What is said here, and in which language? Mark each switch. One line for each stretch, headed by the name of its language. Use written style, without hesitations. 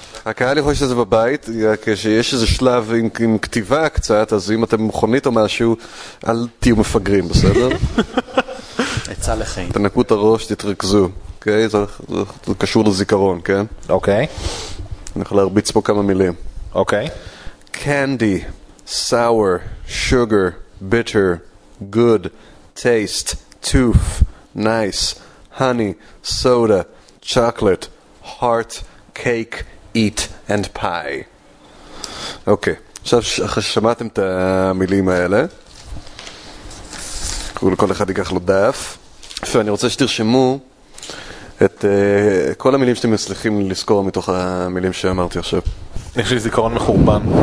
Hebrew: הקהל יכול להשתתף בבית, כשיש איזה שלב עם כתיבה קצת, אז אם אתם מכונית או משהו, אל תהיו מפגרים, בסדר? עצה לחיים. תנקו את הראש, תתרכזו, אוקיי? זה קשור לזיכרון, כן? אוקיי. אני יכול להרביץ פה כמה מילים. אוקיי.
English: Candy, sour, sugar, bitter, good, taste, tooth, nice, honey, soda, chocolate, heart, cake, eat, and pie.
Hebrew: אוקיי. עכשיו, אחרי ששמעתם את המילים האלה, קוראו לכל אחד ייקח לו דף, ואני רוצה שתרשמו את כל המילים שאתם מצליחים לזכור מתוך המילים שאמרתי עכשיו. יש לי זיכרון מחורבן.